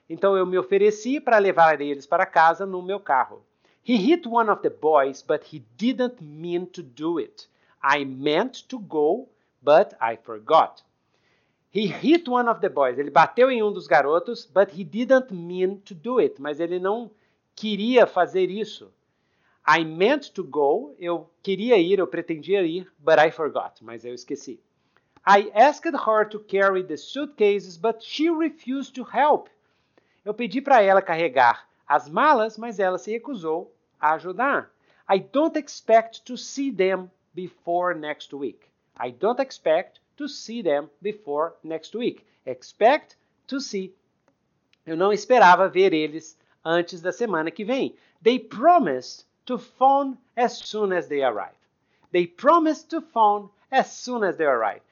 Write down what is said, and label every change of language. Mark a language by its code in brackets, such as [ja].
[pt] Então, eu me ofereci para levar eles para casa no meu carro. [en] He hit one of the boys, but he didn't mean to do it. I meant to go, but I forgot. He hit one of the boys. [pt] Ele bateu em um dos garotos, [en] but he didn't mean to do it. [pt] Mas ele não queria fazer isso. [en] I meant to go. [pt] Eu queria ir, eu pretendia ir, [en] but I forgot. [pt] Mas eu esqueci. [en] I asked her to carry the suitcases, but she refused to help. [pt] Eu pedi para ela carregar as malas, mas ela se recusou a ajudar. [en] I don't expect to see them before next week. I don't expect to see them before next week. Expect to see. [pt] Eu não esperava ver eles antes da semana que vem. [en] They promised to phone as soon as they arrive. They promised to phone as soon as they arrive.